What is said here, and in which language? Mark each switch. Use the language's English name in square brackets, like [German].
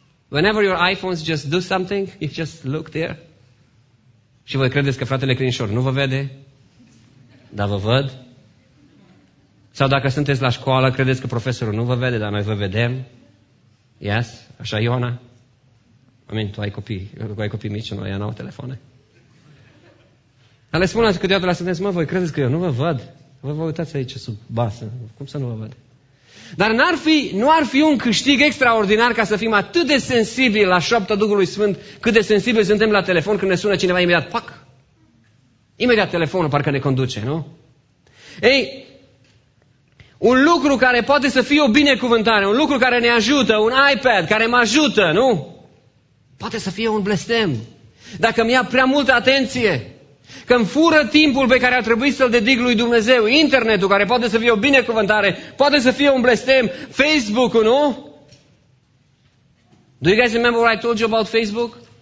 [English] Whenever your iPhones just do something, you just look there. [Romanian] Și voi credeți că fratele Crinșor nu vă vede? Dar vă văd? Sau dacă sunteți la școală, credeți că profesorul nu vă vede, dar noi vă vedem? Yes? Așa, Iona? Amin, tu ai copii. Tu ai copii mici, noi n-au telefoane. Dar le spuneți câteodată la sunteți, mă, voi credeți că eu nu vă văd? Vă uitați aici sub basă. Cum să nu vă văd? Dar nu ar fi un câștig extraordinar ca să fim atât de sensibili la șoapta Duhului Sfânt, cât de sensibili suntem la telefon când ne sună cineva imediat, pac! Imediat telefonul parcă ne conduce, nu? Ei, un lucru care poate să fie o binecuvântare, un lucru care ne ajută, un iPad care mă ajută, nu? Poate să fie un blestem. Dacă mi-a prea multă atenție, că îmi fură timpul pe care ar trebui să-l dedic lui Dumnezeu, internetul care poate să fie o binecuvântare, poate să fie un blestem, Facebook-ul, nu? [English] Do you guys remember what I told you about Facebook?